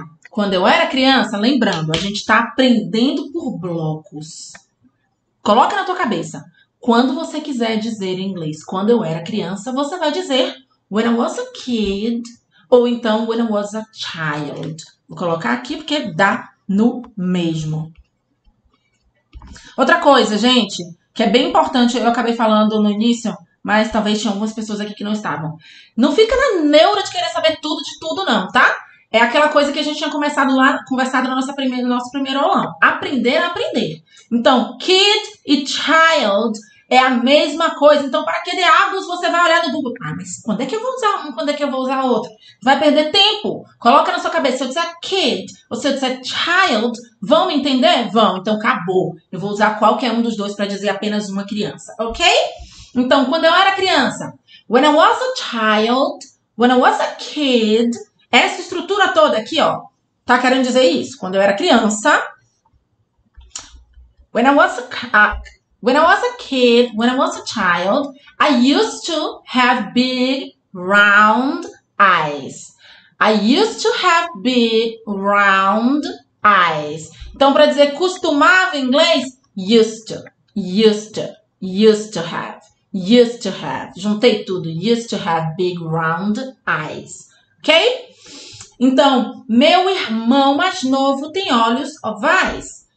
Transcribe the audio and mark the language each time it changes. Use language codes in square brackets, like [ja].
[pt] Quando eu era criança, lembrando, a gente tá aprendendo por blocos. Coloca na tua cabeça. Quando você quiser dizer em inglês, quando eu era criança, você vai dizer. [en] When I was a kid, [pt] ou então [en] when I was a child. [pt] Vou colocar aqui porque dá no mesmo. Outra coisa, gente, que é bem importante, eu acabei falando no início, mas talvez tinha algumas pessoas aqui que não estavam. Não fica na neura de querer saber tudo de tudo, não, tá? É aquela coisa que a gente tinha começado lá, conversado no nosso primeiro aulão. Aprender a aprender. Então, kid e child. É a mesma coisa. Então, para que diabos você vai olhar no Google? Ah, mas quando é que eu vou usar um? Quando é que eu vou usar outro? Vai perder tempo. Coloca na sua cabeça. Se eu disser kid ou se eu disser child, vão me entender? Vão. Então, acabou. Eu vou usar qualquer um dos dois para dizer apenas uma criança. Ok? Então, quando eu era criança. [en] When I was a child. When I was a kid. [pt] Essa estrutura toda aqui, ó. Tá querendo dizer isso? Quando eu era criança. [en] When I was a. When I was a kid, when I was a child, I used to have big round eyes. I used to have big round eyes. [pt] Então, para dizer costumava em inglês, [en] used to have. [pt] Juntei tudo. [en] Used to have big round eyes. Ok? [pt] Então, meu irmão mais novo tem olhos ovais.